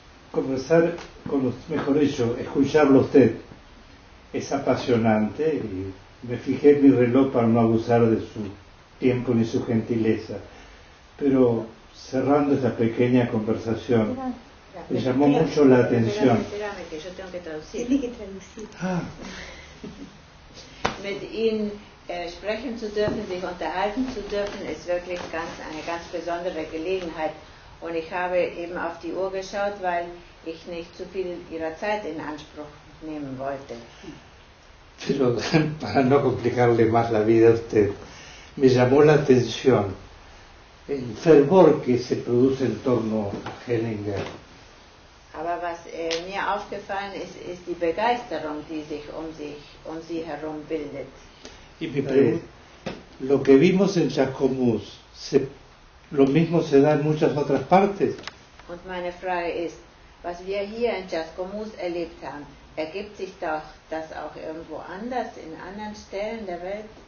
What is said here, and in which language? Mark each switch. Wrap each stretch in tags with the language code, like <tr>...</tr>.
<es>Conversar con los, mejor dicho, escucharlo a usted, es apasionante y me fijé en mi reloj para no abusar de su tiempo ni su gentileza. Pero cerrando esta pequeña conversación, me llamó mucho la atención. Espérame, que yo tengo que traducir. Tiene que traducir.</es> <de>Mit Ihnen sprechen zu dürfen, sich unterhalten zu dürfen, ist wirklich eine ganz besondere Gelegenheit. Und ich habe eben auf die Uhr geschaut, weil ich nicht zu viel Ihrer Zeit in Anspruch nehmen wollte.</de> <es>Pero para no complicarle más la vida a usted, me llamó la atención el fervor que se produce en torno a Hellinger.</es> <de>Aber was mir aufgefallen ist, ist die Begeisterung, die sich um sie herum bildet.</de> <es>Y mi pregunta, lo que vimos en Chascomús, lo mismo se da en muchas otras partes.</es> <de>Und meine Frage ist, was wir hier in Chascomús erlebt haben, ergibt sich doch das auch irgendwo anders, in anderen Stellen der Welt?</de>